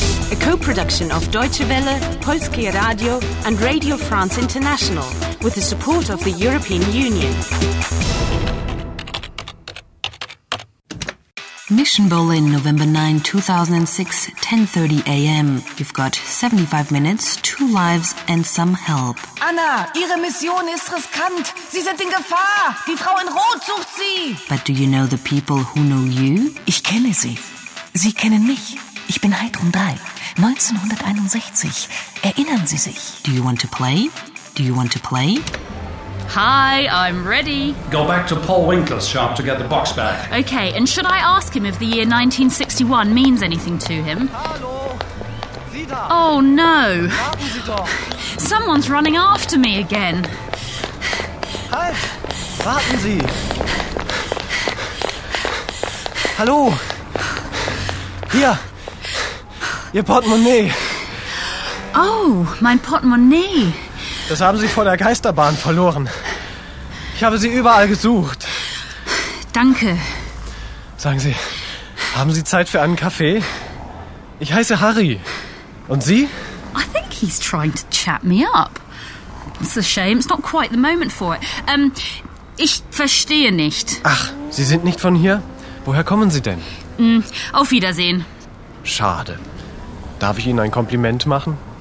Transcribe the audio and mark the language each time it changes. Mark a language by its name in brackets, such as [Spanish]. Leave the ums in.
[English] A co-production of Deutsche Welle, Polskie Radio and Radio France International with the support of the European Union. Mission Berlin, November 9, 2006, 10:30 a.m. You've got 75 minutes, two lives and some help. [German] Anna, ihre Mission ist riskant. Sie sind in Gefahr. Die Frau in Rot sucht sie. [English] But do you know the people who know you? [German] Ich kenne sie. Sie kennen mich. Ich bin Heidrun 3. [English] 1961. [German] Erinnern Sie sich? [English] Do you want to play? Do you want to play? Hi, I'm ready. Go back to Paul Winkler's shop to get the box back. Okay, and should I ask him if the year 1961 means anything to him? [German] Hallo. Sie da. [English] Oh no! [German] Sie [English] Someone's running after me again! [German] Halt! Warten Sie. Hallo! Hier! Ihr Portemonnaie! Oh, mein Portemonnaie! Das haben Sie vor der Geisterbahn verloren. Ich habe Sie überall gesucht. Danke. Sagen Sie, haben Sie Zeit für einen Kaffee? Ich heiße Harry. Und Sie? [English] I think he's trying to chat me up. It's a shame. It's not quite the moment for it. [German] Um, ich verstehe nicht. Ach, Sie sind nicht von hier? Woher kommen Sie denn? Mm. Auf Wiedersehen. Schade. Darf ich Ihnen ein Kompliment machen?